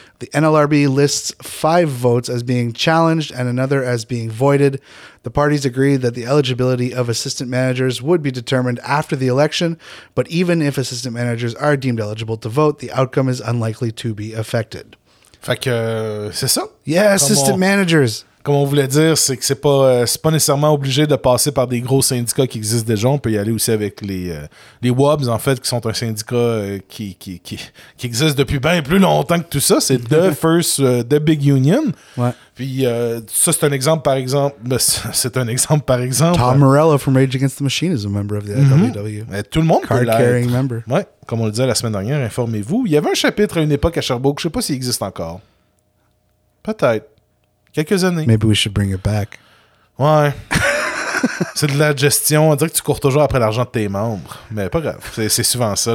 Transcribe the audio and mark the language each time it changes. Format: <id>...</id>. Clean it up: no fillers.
<en>The NLRB lists 5 votes as being challenged and another as being voided. The parties agreed that the eligibility of assistant managers would be determined after the election, but even if assistant managers are deemed eligible to vote, the outcome is unlikely to be affected.</en> <fr>Fait que c'est ça?</fr> <en>Yeah, assistant managers.</en> <fr>Comme on voulait dire, c'est que c'est pas nécessairement obligé de passer par des gros syndicats qui existent déjà. On peut y aller aussi avec les WOBS, en fait, qui sont un syndicat qui existe depuis bien plus longtemps que tout ça. C'est</fr> <en>The First, The Big Union.</en> <fr>Ouais. Puis ça, c'est un exemple, par exemple. C'est un exemple, par exemple.</fr> <en>Tom Morello from Rage Against the Machine is a member of the mm-hmm.</en> <fr>IWW. Tout le monde peut l'être.</fr> <en>Card-carrying member.</en> <fr>Ouais. Comme on le disait la semaine dernière, informez-vous. Il y avait un chapitre à une époque à Sherbrooke. Je sais pas s'il existe encore. Peut-être. Quelques années.</fr> <en>Maybe we should bring it back.</en> <fr>Ouais. C'est de la gestion. On dirait que tu cours toujours après l'argent de tes membres. Mais pas grave. C'est souvent ça.</fr>